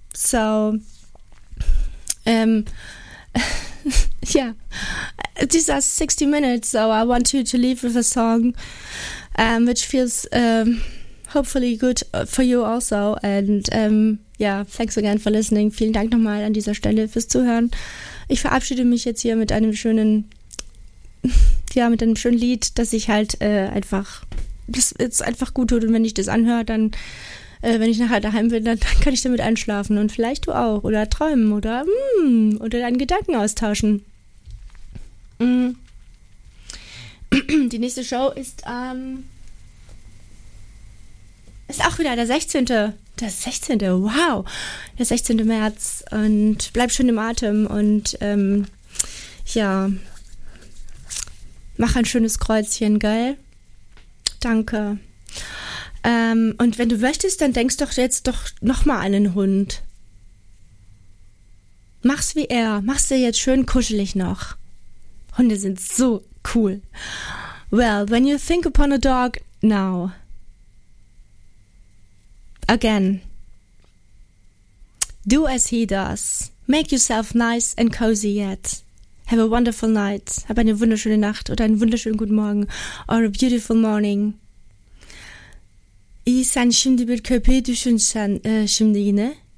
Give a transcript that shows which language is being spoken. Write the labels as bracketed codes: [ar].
[en] So, yeah, these are 60 minutes. So I want you to leave with a song, which feels hopefully good for you also. And yeah, thanks again for listening. [de] Vielen Dank nochmal an dieser Stelle fürs Zuhören. Ich verabschiede mich jetzt hier mit einem schönen... Ja, mit einem schönen Lied, das ich halt einfach, das jetzt einfach gut tut. Und wenn ich das anhöre, dann, wenn ich nachher daheim bin, dann kann ich damit einschlafen. Und vielleicht du auch. Oder träumen. Oder, oder deinen Gedanken austauschen. Mm. Die nächste Show ist, ist auch wieder der 16. Der 16. Wow. Der 16. März. Und bleib schön im Atem. Und, ja. Mach ein schönes Kreuzchen, geil. Danke. Und wenn du möchtest, dann denkst doch jetzt doch nochmal an den Hund. Mach's wie er. Mach's dir jetzt schön kuschelig noch. Hunde sind so cool. [en] Well, when you think upon a dog, now. Again. Do as he does. Make yourself nice and cozy yet. Have a wonderful night. [de] Hab eine wunderschöne Nacht oder einen wunderschönen guten Morgen. [en] Or a beautiful morning. [tr] I sen şimdi bir köpeği düşünsen şimdi yine.